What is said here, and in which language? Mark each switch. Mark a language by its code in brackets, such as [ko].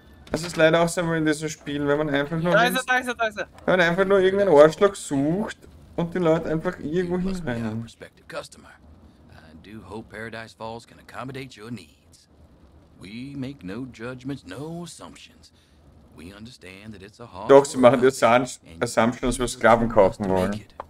[de] Es ist leider auch so in diesem Spiel, wenn man einfach nur. Da ist er. Wenn man einfach nur irgendeinen Arschloch sucht und die Leute einfach irgendwo hinrennen. [en] Respected customer. I do hope Paradise Falls can accommodate your needs. We make no judgments, no assumptions. We understand that it's a hard. [de] Doch, sie machen die Assumption, dass wir Sklaven kaufen wollen.